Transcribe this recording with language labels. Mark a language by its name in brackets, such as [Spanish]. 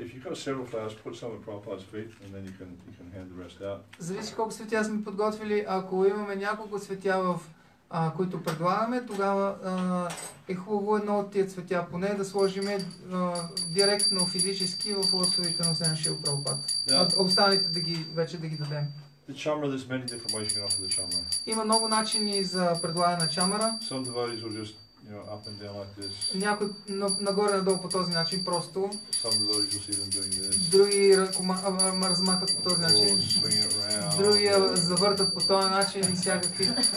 [English] If you've got several flowers, put some at Prabhupada's feet and then you can hand the rest out. [Bulgarian] Зависи колко цветя сме подготвили, ако имаме няколко цветя в които предлагаме, тогава е хубаво едно от тия цветя поне да сложим директно физически в лотосовите нозе на Шрила Прабхупада. Останалите да ги вече да ги дадем. [English] The chamara, there's many different ways you can offer the chamara. [Bulgarian] Има много начини за предлагане на чамара. [English] Some devotees will just, you know, up and down like this. [Bulgarian] Някой нагоре надолу по този начин просто. [English] Some devotees will see them doing this. [Bulgarian] Други размахват по този начин. [English] Or swing it around. [Bulgarian] Други завъртат по този начин и всякакви.